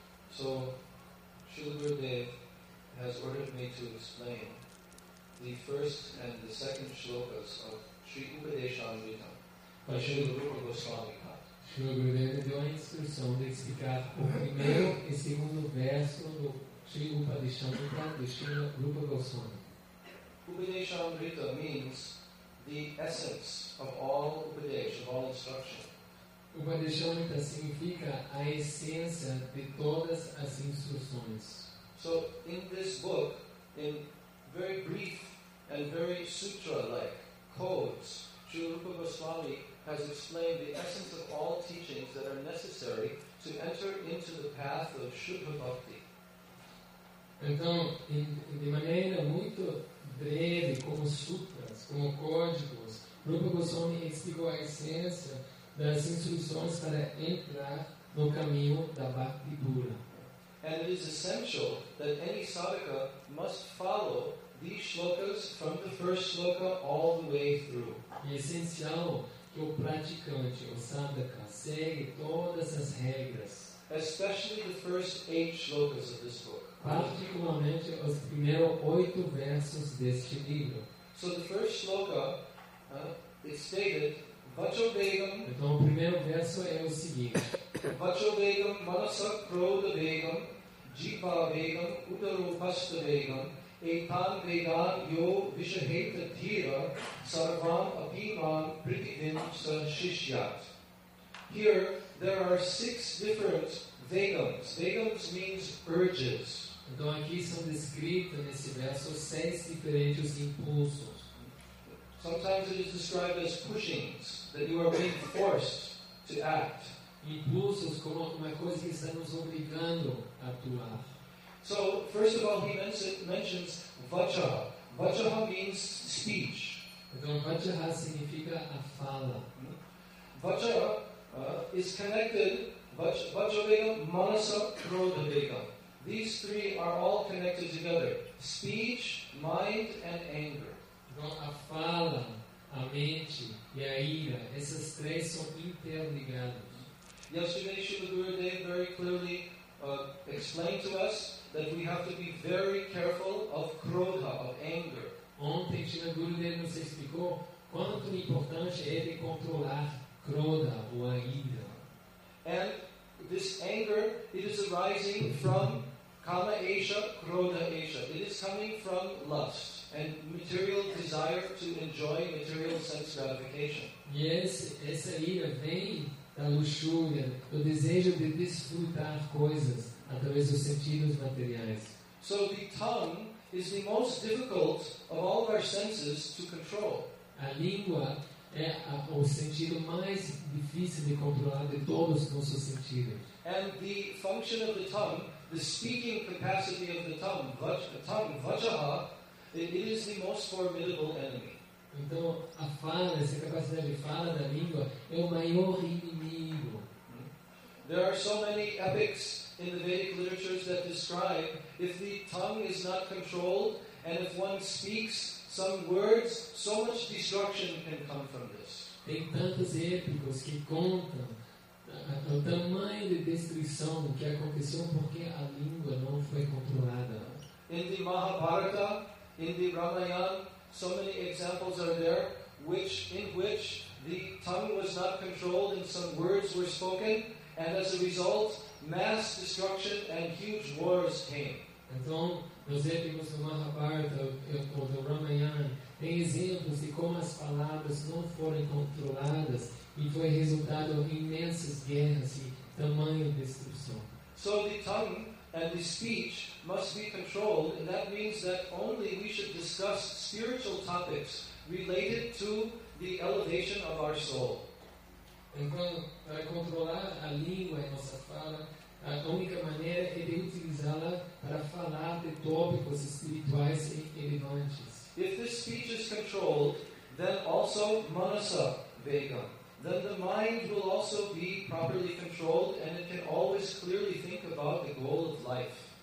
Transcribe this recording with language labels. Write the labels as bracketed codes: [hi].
[en] So, Srila Gurudev has ordered me to explain the first and the second shlokas of Sri Upadeshamrita by Srila Rupa Goswami. [pt] Srila Gurudev deu a instrução de explicar o primeiro e segundo verso do Sri Upadeshamrita de Srila Rupa Goswami. [en] Upadeshamrita means the essence of all upadesha, of all instruction. [pt] Upadeshamrita significa a essência de todas as instruções. [en] So in this book, in very brief and very sutra-like codes, Srila Rupa Goswami has explained the essence of all teachings that are necessary to enter into the path of Shuddha Bhakti. [pt] Então, de maneira muito breve, como sutras, como códigos, Rupa Goswami explicou a essência das instruções para entrar no caminho da Bhakti Pura. [en] And it is essential that any sadhaka must follow these shlokas from the first shloka all the way through. [pt] É essencial que o praticante, o sadhaka, segue todas as regras. [en] Especially the first eight shlokas of this book. [pt] Particularmente os primeiros oito versos deste livro. [en] So the first shloka is stated, Vachovegam. [pt] Então o primeiro verso é o seguinte. [sa] Vachovegam, manasak krodavegam, jipavegam, utarupastavegam, etan vegan yo vishaheta dhira, sarvam apivam pritidin sa shishyat. [en] Here, there are six different vegams. Vegams means urges. [pt] Então aqui são descritos nesse verso seis diferentes impulsos. [en] Sometimes it is described as pushings, that you are being forced to act. [pt] Impulsos como uma coisa que está nos obrigando a atuar. [en] So, first of all, he mentions vacha. Vacha means speech. [pt] Então, vacha significa a fala. [en] Vacha is connected, vacha-vega, manasa, krodha-vega. These three are all connected together. Speech, mind, and anger. [pt] Então, a fala, a mente e a ira, essas três são interligadas. [en] Yesterday, Srila Gurudev very clearly explained to us that we have to be very careful of krodha, of anger. [pt] Ontem, Srila Gurudev nos explicou quanto importante é de controlar krodha, ou a ira. [en] And this anger, it is arising from kama esha, krodha esha. It is coming from lust and material desire to enjoy material sense gratification. [pt] Yes, essa ira vem da luxúria, do desejo de desfrutar coisas através dos sentidos materiais. [en] So the tongue is the most difficult of all our senses to control. [pt] A língua é o sentido mais difícil de controlar de todos os nossos sentidos. [en] And the function of the tongue, the speaking capacity of the tongue, vajaha, it is the most formidable enemy. [pt] Então, a fala, essa capacidade de fala da língua, é o maior inimigo. [en] There are so many epics in the Vedic literatures that describe if the tongue is not controlled and if one speaks some words, so much destruction can come from this. [pt] Tem tantos épicos que contam o tamanho de destruição que aconteceu porque a língua não foi controlada. [en] In the Mahabharata, in the Ramayana, so many examples are there in which the tongue was not controlled and some words were spoken, and as a result, mass destruction and huge wars came. [pt] Então, nos épicos do Mahabharata ou do Ramayana, tem exemplos de como as palavras não foram controladas e foi resultado em imensas guerras e tamanha destruição. [en] So the tongue and the speech must be controlled, and that means that only we should discuss spiritual topics related to the elevation of our soul. [pt] Então, para controlar a língua e nossa fala, a única maneira é de utilizá-la para falar de tópicos espirituais e relevantes. [en] If this speech is controlled, then also manasa vega. Then the mind will also be properly controlled and it can always clearly think about the goal of life.